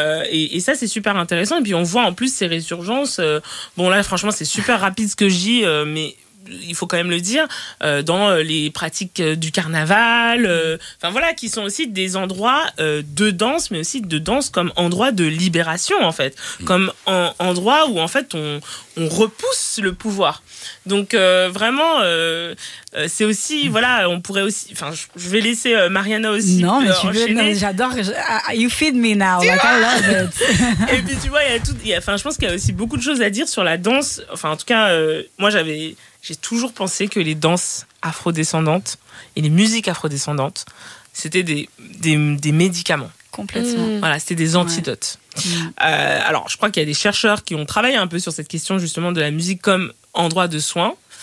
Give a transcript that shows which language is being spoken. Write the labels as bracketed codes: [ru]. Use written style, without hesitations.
[fr] Et ça, c'est super intéressant. Et puis on voit en plus ces résurgences. Bon là, franchement, c'est super rapide ce que je dis, mais il faut quand même le dire, dans les pratiques du carnaval, qui sont aussi des endroits de danse, mais aussi de danse comme endroit de libération, en fait. Comme endroit où, en fait, on repousse le pouvoir. Donc, vraiment, c'est aussi, on pourrait aussi... Enfin, je vais laisser Mariana aussi enchaîner. Non, mais tu veux, non, j'adore. [en] You feed me now, like, I love it. [fr] Et puis, tu vois, je pense qu'il y a aussi beaucoup de choses à dire sur la danse. Enfin, en tout cas, moi, j'ai toujours pensé que les danses afrodescendantes et les musiques afrodescendantes, c'était des médicaments. Complètement. Voilà, c'était des antidotes. Alors, je crois qu'il y a des chercheurs qui ont travaillé un peu sur cette question justement de la musique comme endroit de soin.